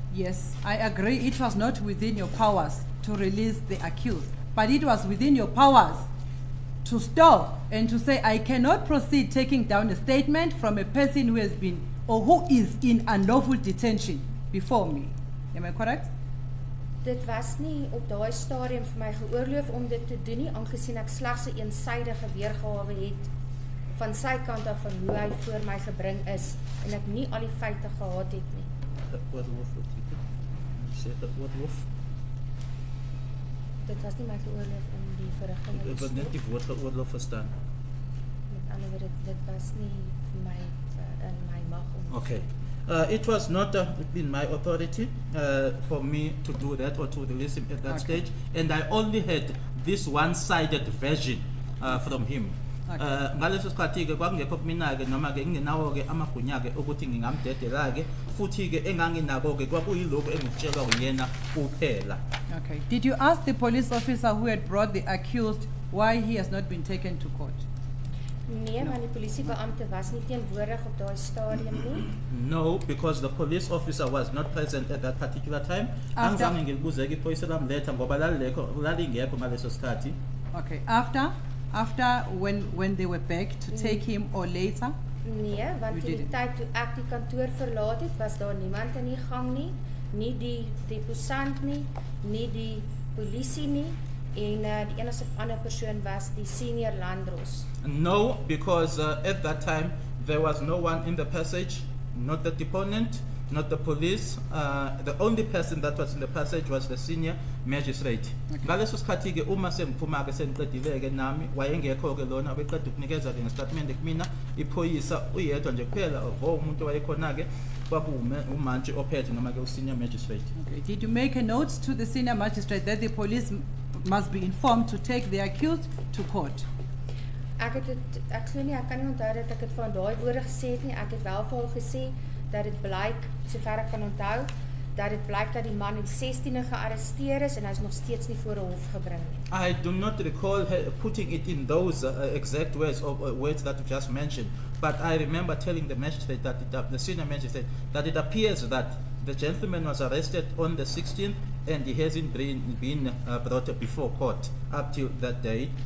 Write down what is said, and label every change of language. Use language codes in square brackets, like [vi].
[en] Yes, I agree it was not within your powers to release the accused, but it was within your powers to stop and to say I cannot proceed taking down a statement from a person who has been or who is in unlawful detention before me. Am I correct? [af] Dit was nie op daai stadium vir my geoorloof om dit te doen nie, aangesien ek slegs 'n eensydige weergawe het van sy kant af van hoe hy voor my gebring is en ek nie al die feite gehad het nie. Dit was nie my geoorloof om die verrigting te doen. Ek het net die woord geoorloof verstaan. Met ander woorde, dit was nie vir my in my mag om. [en] Okay. It was not within my authority for me to do that or to release him at that stage, and I only had this one-sided version from him. [zu] Ngaleso sikhathi-ke kwakungekho kumina-ke noma-ke ngingenawo-ke amagunya-ke ukuthi ngingamdedela-ke futhi-ke enganginabo-ke kwakuyilokhu engikutshelwa uyena kuphela. [en] Okay. Did you ask the police officer who had brought the accused why he has not been taken to court? [af] Nee, maar die polisiebeampte was nie teenwoordig op daai stadium nie. [en] No, because the police officer was not present at that particular time. [zu] Angizange ngibuze ke police lam letter ngoba lalingekho ngaleso sikhathi. [en] Okay. After when they were back to take him or later? [af] Nee, want toe die tyd toe ek die kantoor verlaat het, was daar niemand in die gang nie, nie die deposant nie, nie die polisie nie. En die enigste ander persoon was die senior landros. [en] No, because at that time there was no one in the passage. not the deponent, not the police. The only person that was in the passage was the senior magistrate. [zu] Ngaleso sikhathi ke uma semphumake sengiqedileke nami wayengekho ke lona obeqeda ukunikeza le statement kumina iphoyisa uyedwa nje kuphela ovo umuntu wayekhona ke umantshi ophethe noma ke u senior magistrate. [en] Okay, did you make a note to the senior magistrate that the police must be informed to take the accused to court? [af] Ek het dit ek glo nie ek kan nie onthou dat ek dit van daai woorde gesê het nie. Ek het wel vir hom gesê dat dit blyk, sover ek kan onthou, dat dit blyk dat die man in 16e gearresteer is en hy is nog steeds nie voor 'n hof gebring nie. [en] I do not recall putting it in those exact words of words that you just mentioned, but I remember telling the magistrate that the senior magistrate that it appears that the gentleman was arrested on the 16th and he hasn't been brought before court up to that day.